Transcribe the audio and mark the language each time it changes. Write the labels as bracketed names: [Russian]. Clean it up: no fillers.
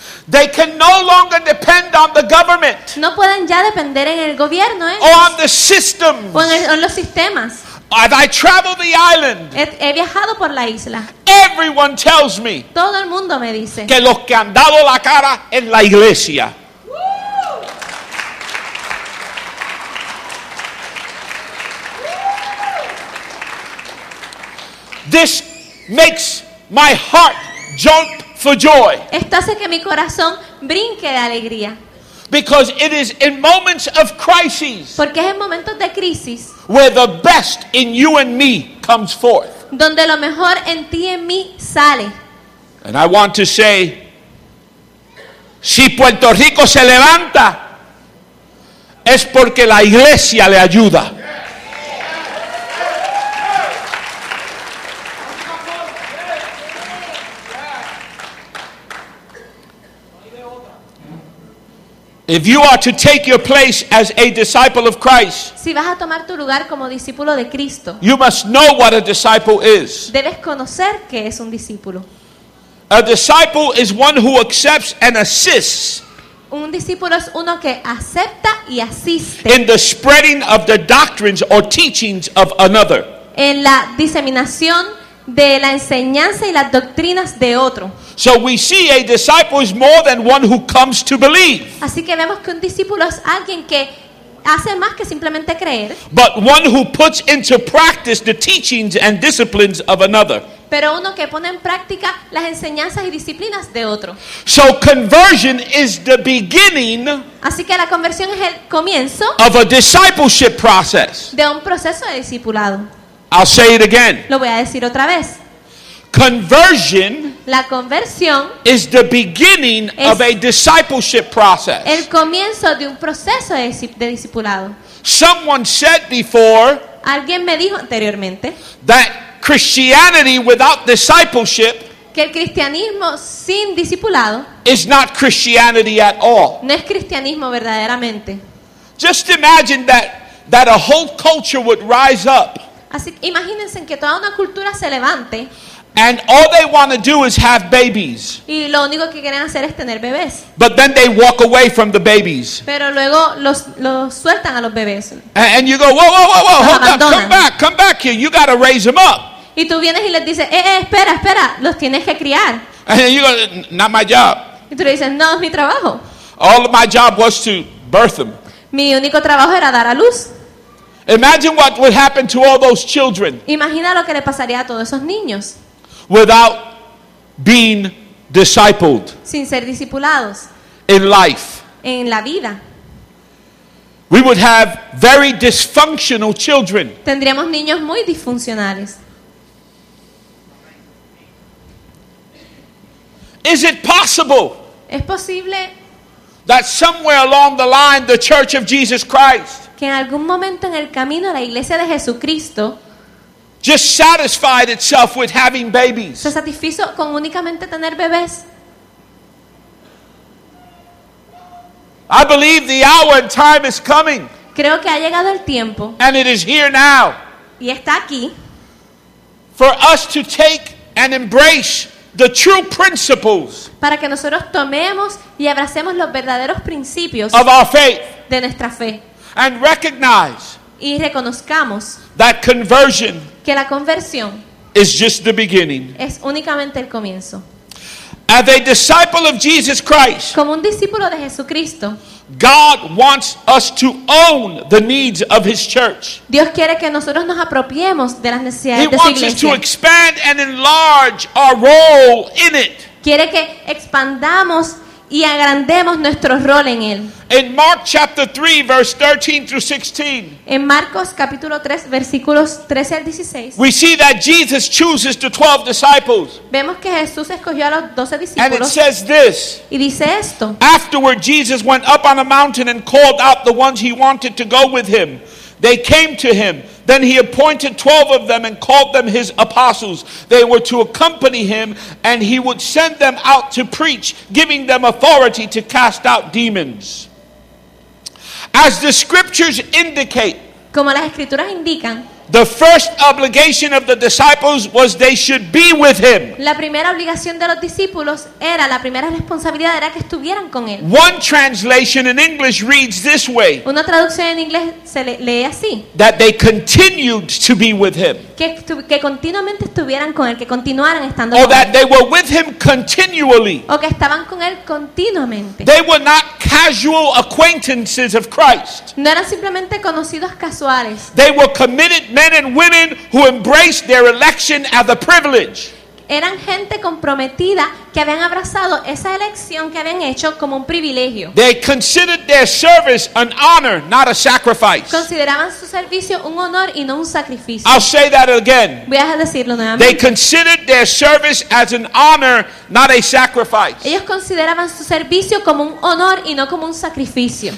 [English] They can no longer depend on the government. [Spanish] No pueden ya depender en el gobierno, ¿eh? [English] Or on the systems. [Spanish] O en los sistemas. [English] As I travel the island. [Spanish] He viajado por la isla. [English] Everyone tells me. [Spanish] Todo el mundo me dice. Que los que han dado la cara en la iglesia. [English] This makes my heart jump for joy. [Spanish] Esto hace que mi corazón brinque de alegría. [English] Because it is in moments of crisis. [Spanish] Porque es en momentos de crisis. [English] Where the best in you and me comes forth. [Spanish] Donde lo mejor en ti y en mí sale. [English] And I want to say, [Spanish] si Puerto Rico se levanta, es porque la iglesia le ayuda. [English] If you are to take your place as a disciple of Christ, [Spanish] si vas a tomar tu lugar como discípulo de Cristo, [English] you must know what a disciple is. [Spanish] Debes conocer qué es un discípulo. [English] A disciple is one who accepts and assists. [Spanish] Un discípulo es uno que acepta y asiste. [English] In the spreading of the doctrines or teachings of another. [Spanish] En la diseminación de la enseñanza y las doctrinas de otro. [English] So we see a disciple is more than one who comes to believe. [Spanish] Así que vemos que un discípulo es alguien que hace más que simplemente creer. [English] But one who puts into practice the teachings and disciplines of another. [Spanish] Pero uno que pone en práctica las enseñanzas y disciplinas de otro. [English] So conversion is the beginning. [Spanish] Así que la conversión es el comienzo. [English] Of a discipleship process. [Spanish] De un proceso de discipulado. [English] I'll say it again. [Spanish] Lo voy a decir otra vez. [English] Conversion. [Spanish] La conversión. [English] Is the beginning of a discipleship process. [Spanish] El comienzo de un proceso de discipulado. [English] Someone said before. [Spanish] Alguien me dijo anteriormente. [English] That Christianity without discipleship, [Spanish] que el cristianismo sin discipulado, [English] is not Christianity at all. [Spanish] No es cristianismo verdaderamente. [English] Just imagine that a whole culture would rise up. [Spanish] Así, imagínense que toda una cultura se levante. [English] And all they want to do is have babies. [Spanish] Y lo único que quieren hacer es tener bebés. [English] But then they walk away from the babies. [Spanish] Pero luego los sueltan a los bebés. [English] And you go, whoa, [Spanish] los [English] hold [Spanish] abandonan. [English] Up, come back here, you got to raise them up. [Spanish] Y tú vienes y les dices, espera, los tienes que criar. [English] And you go, not my job. [Spanish] Y tú le dices, no, es mi trabajo. [English] All of my job was to birth them. [Spanish] Mi único trabajo era dar a luz. [English] Imagine what would happen to all those children. [Spanish] Imagina lo que le pasaría a todos esos niños. [English] Without being discipled. [Spanish] Sin ser discipulados. [English] In life. [Spanish] En la vida. [English] We would have very dysfunctional children. [Spanish] Tendríamos niños muy disfuncionales. [English] Is it possible? [Spanish] ¿Es posible? [English] That somewhere along the line the Church of Jesus Christ. [Spanish] Que en algún momento en el camino la Iglesia de Jesucristo. [English] Just satisfied itself with having babies. [Spanish] Se satisfizo con únicamente tener bebés. [English] I believe the hour and time is coming. [Spanish] Creo que ha llegado el tiempo. [English] And it is here now. [Spanish] Y está aquí. [English] For us to take and embrace the true principles. [Spanish] Para que nosotros tomemos y abracemos los verdaderos principios. [English] Of our faith. [Spanish] De nuestra fe. [English] And recognize. [Spanish] Y reconozcamos. [English] That conversion. [Spanish] Que la conversión [English] is just the beginning. [Spanish] Es únicamente el comienzo. [English] As a disciple of Jesus Christ, [Spanish] como un discípulo de Jesucristo, [English] God wants us to own the needs of His church. [Spanish] Dios quiere que nosotros nos apropiemos de las necesidades [English] He [Spanish] de su iglesia. [English] He wants us to expand and enlarge our role in it. [Spanish] Quiere que expandamos y agrandemos nuestro rol en él. [English] In Mark chapter 3 verse 13 through 16. [Spanish] En Marcos capítulo 3 versículos 13 al 16. [English] We see that Jesus chooses the 12 disciples. [Spanish] Vemos que Jesús escogió a los 12 discípulos. [English] And it says this. [Spanish] Y dice esto. [English] Afterward Jesus went up on a mountain and called out the ones he wanted to go with him. They came to him. Then he appointed 12 of them and called them his apostles. They were to accompany him, and he would send them out to preach, giving them authority to cast out demons. As the scriptures indicate, [Spanish] como las escrituras indican, [English] the first obligation of the disciples was they should be with him. [Spanish] La primera obligación de los discípulos era, la primera responsabilidad era que estuvieran con él. [English] One translation in English reads this way. [Spanish] Una traducción en inglés se lee así. [English] That they continued to be with him. [Spanish] Que continuamente estuvieran con él, que continuaran estando [English] or [Spanish] con él. [English] Or that they were with him continually. [Spanish] O que estaban con él continuamente. [English] They were not casual acquaintances of Christ. [Spanish] No eran simplemente conocidos casuales. [English] They were committed men and women who embraced their election as a privilege. [Spanish] eran gente comprometida que habían abrazado esa elección que habían hecho como un privilegio. [English] They considered their service an honor, not a sacrifice. [Spanish] Consideraban su servicio un honor y no un sacrificio. [English] I'll say that again. [Spanish] Voy a decirlo nuevamente. [English] They considered their service as an honor, not a sacrifice. [Spanish] Ellos consideraban su servicio como un honor y no como un sacrificio.